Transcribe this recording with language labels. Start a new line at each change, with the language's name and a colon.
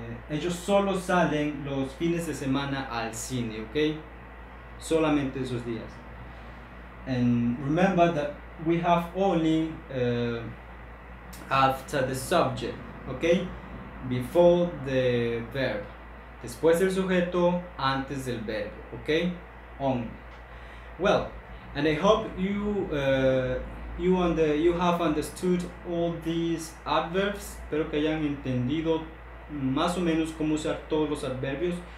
Spanish: Ellos solo salen los fines de semana al cine, okay? Solamente esos días.
English: And remember that we have only after the subject, okay? Before the verb.
Spanish: Después del sujeto, antes del verbo. Okay? Only.
English: Well, and I hope you have understood all these adverbs.
Spanish: Espero que hayan entendido más o menos cómo usar todos los adverbios.